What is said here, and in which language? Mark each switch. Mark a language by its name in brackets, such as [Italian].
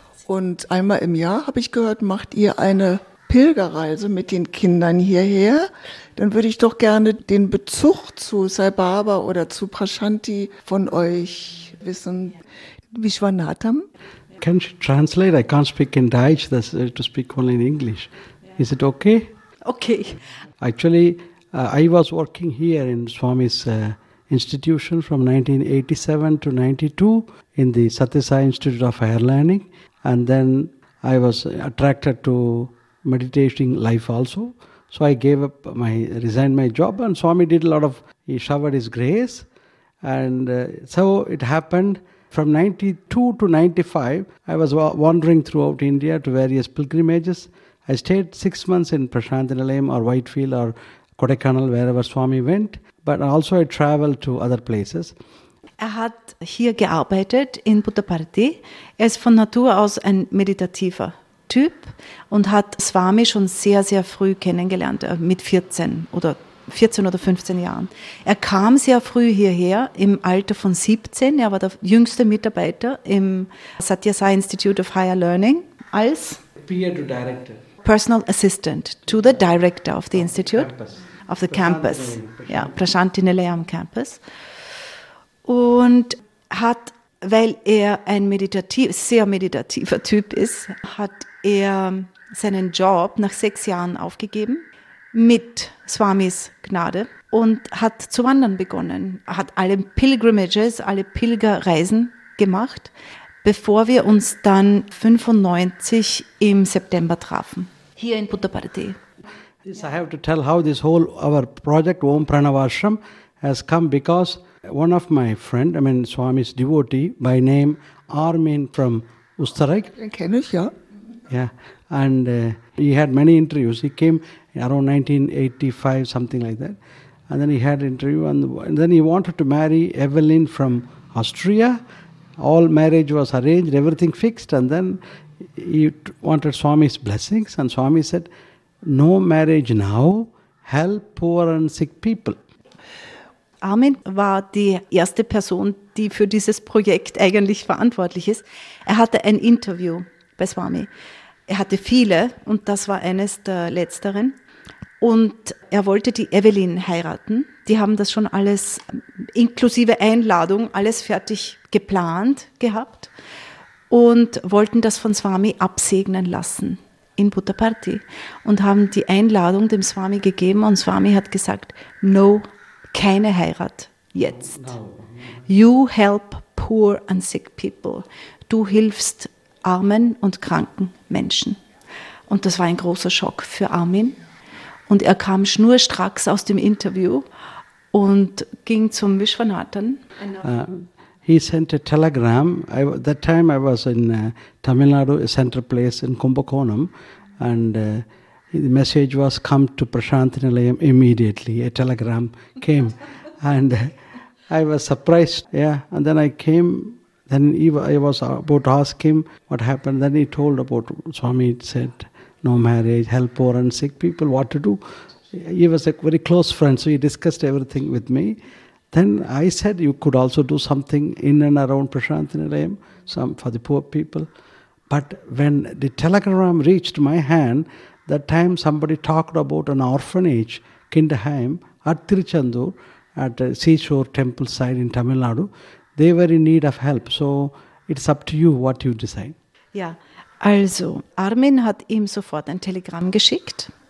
[German] Und einmal im Jahr, habe ich gehört, macht ihr eine Pilgerreise mit den Kindern hierher. Dann würde ich doch gerne den Bezug zu Sai Baba oder zu Prashanti von euch wissen. Ja. Vishwanatham? [English] Can you translate? I can't speak in Deutsch, that's to speak only in English. Yeah. Is it okay? Okay. Actually, I was working here in Swami's institution from 1987 to 92 in the Satya Sai Institute of Higher Learning. And then I was attracted to meditating life also. So I resigned my job and Swami did a lot of, he showered his grace. And so it happened from 92 to 95, I was wandering throughout India to various pilgrimages. I stayed 6 months in Prashanthinilayam or Whitefield or Kodaikanal, wherever Swami went. But also I traveled to other places. [German] Er hat hier gearbeitet in Puttaparthi. Er ist von Natur aus ein meditativer Typ und hat Swami schon sehr, sehr früh kennengelernt, mit 14 oder 15 Jahren. Er kam sehr früh hierher, im Alter von 17. Er war der jüngste Mitarbeiter im Satya Sai Institute of Higher Learning als [English] Personal Assistant to the Director of the Institute. Of the campus, [German] ja, Prashanthinilayam Campus. Und hat, weil er ein sehr meditativer Typ ist, hat er seinen Job nach 6 Jahren aufgegeben, mit Swamis Gnade, und hat zu wandern begonnen. Er hat alle Pilgrimages, alle Pilgerreisen gemacht, bevor wir uns dann 95 im September trafen, hier in Puttaparthi. [English] Yes, I have to tell how this whole our project Om Pranavashram has come, because one of my friend, I mean Swami's devotee by name Armin from Ustarak. Kenneth, yeah. Yeah, and he had many interviews. He came around 1985, something like that, and then he had an interview, and then he wanted to marry Evelyn from Austria. All marriage was arranged, everything fixed, and then he wanted Swami's blessings, and Swami said, no marriage now, help poor and sick people. [German] Armin war die erste Person, die für dieses Projekt eigentlich verantwortlich ist. Er hatte ein Interview bei Swami. Er hatte viele, und das war eines der letzteren. Und er wollte die Evelyn heiraten. Die haben das schon alles, inklusive Einladung, alles fertig geplant gehabt und wollten das von Swami absegnen lassen in Puttaparthi, und haben die Einladung dem Swami gegeben, und Swami hat gesagt, no, keine Heirat, jetzt. [English] You help poor and sick people. [German] Du hilfst armen und kranken Menschen. Und das war ein großer Schock für Armin. Und er kam schnurstracks aus dem Interview und ging zum Vishwanathan. [English] He sent a telegram. That time I was in Tamil Nadu, a center place in Kumbakonam, and the message was, come to Prashanthinilayam immediately. A telegram came, and I was surprised. Yeah, and then I came, then I was about to ask him what happened. Then he told about Swami, said, no marriage, help poor and sick people, what to do. He was a very close friend, so he discussed everything with me. Then I said, you could also do something in and around Prashanthinilayam, some for the poor people. But when the telegram reached my hand, that time somebody talked about an orphanage, Kindaheim, at Tiruchandur, at a seashore temple site in Tamil Nadu. They were in need of help. So it's up to you what you decide. Yeah. [German] Also, Armin hat ihm sofort ein Telegramm geschickt.